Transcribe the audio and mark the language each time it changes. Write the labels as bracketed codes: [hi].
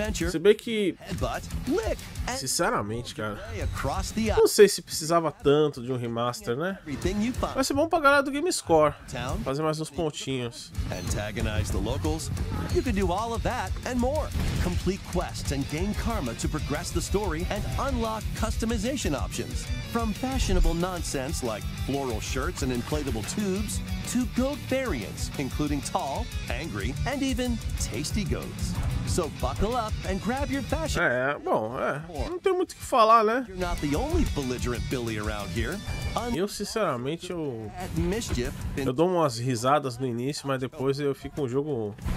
[pt] Se bem que, sinceramente, cara, não sei se precisava tanto de um remaster, né? Vai ser bom pra galera do GameScore fazer mais uns pontinhos. [en] Antagonize the locals. You can do all of that and more. Complete quests and gain karma to progress the story and unlock customization options. From fashionable nonsense like floral shirts and inflatable tubes to goat variants, including tall, angry, and even tasty goats. So buckle up and grab your fashion. [pt] Não tem muito o que falar, né? [en] You're not the only belligerent Billy around here. [pt] Eu sinceramente dou umas risadas no início, mas depois eu fico com o jogo.